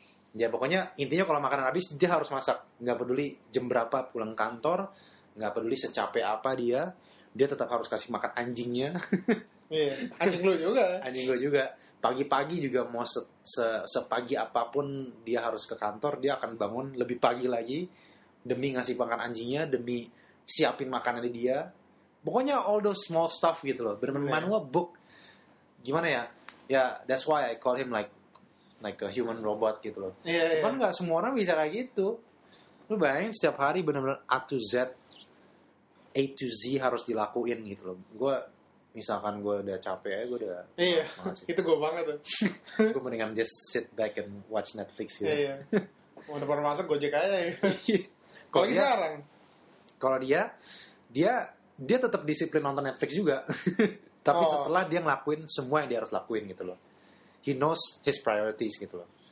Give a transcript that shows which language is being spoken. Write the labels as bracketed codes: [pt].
[id] Ya pokoknya intinya kalau makanan habis dia harus masak. Gak peduli jam berapa pulang kantor, gak peduli secape apa dia, dia tetap harus kasih makan anjingnya. Iya, anjing lu juga. Anjing gua juga. Pagi-pagi juga mau sepagi apapun dia harus ke kantor, dia akan bangun lebih pagi lagi demi ngasih makan anjingnya, demi siapin makanan dia. Pokoknya [en] all those small stuff [id] gitu loh. Bener-bener [en] okay, manual book. [id] Gimana ya? [en] Ya that's why I call him like a human robot [id] gitu loh. [en] Yeah, [id] cuman yeah, gak semua orang bisa kayak gitu. Lu bayangin setiap hari benar-benar [en] A to Z, A to Z [id] harus dilakuin gitu loh. Gue misalkan gue udah capek ya, gue udah yeah, itu gue banget tuh. Gue mendingan [en] just sit back and watch Netflix [id] gitu. Iya, yeah, yeah. Udah baru masuk Gojek aja ya. Kalau sekarang kalau dia tetap disiplin nonton Netflix juga. Tapi setelah dia ngelakuin semua yang dia harus lakuin gitu loh. [en] He knows his priorities [id] gitu loh.